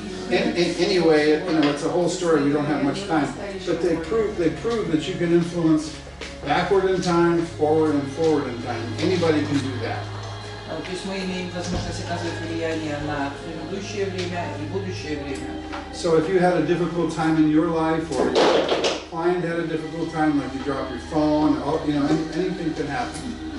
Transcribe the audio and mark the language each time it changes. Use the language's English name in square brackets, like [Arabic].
[English] Anyway, you know, it's a whole story. We don't have much time, but they proved that you can influence backward in time, forward and forward in time. Anybody can do that. [Russian] То есть мы имеем возможность оказывать влияние на предыдущее время и будущее время. [English] So if you had a difficult time in your life, or your client had a difficult time, like you drop your phone, or, you know, anything could happen.